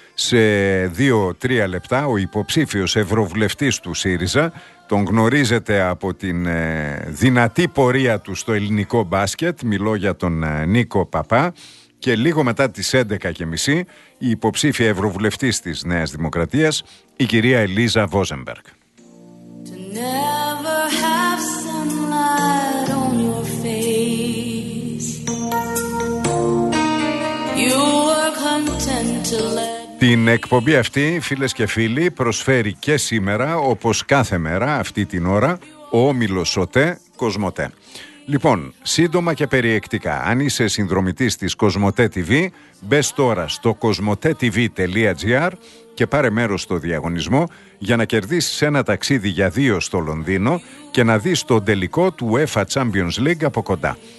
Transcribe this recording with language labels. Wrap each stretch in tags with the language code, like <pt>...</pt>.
<el>Σε 2-3 λεπτά ο υποψήφιος ευρωβουλευτής του ΣΥΡΙΖΑ, τον γνωρίζετε από την δυνατή πορεία του στο ελληνικό μπάσκετ, μιλώ για τον Νίκο Παπά. Και λίγο μετά τις 11.30 η υποψήφια ευρωβουλευτής της Νέας Δημοκρατίας, η κυρία Ελίζα Βόζενμπεργκ.</el> <en>To never have some light on your face. You were content to let...</en> <el>Την εκπομπή αυτή, φίλες και φίλοι, προσφέρει και σήμερα, όπως κάθε μέρα αυτή την ώρα, ο Όμιλος ΟΤΕ Κοσμοτέ. Λοιπόν, σύντομα και περιεκτικά, αν είσαι συνδρομητής της COSMOTE TV, μπες τώρα στο cosmotetv.gr και πάρε μέρος στο διαγωνισμό για να κερδίσεις ένα ταξίδι για δύο στο Λονδίνο και να δεις το τελικό του UEFA Champions League από κοντά.</el>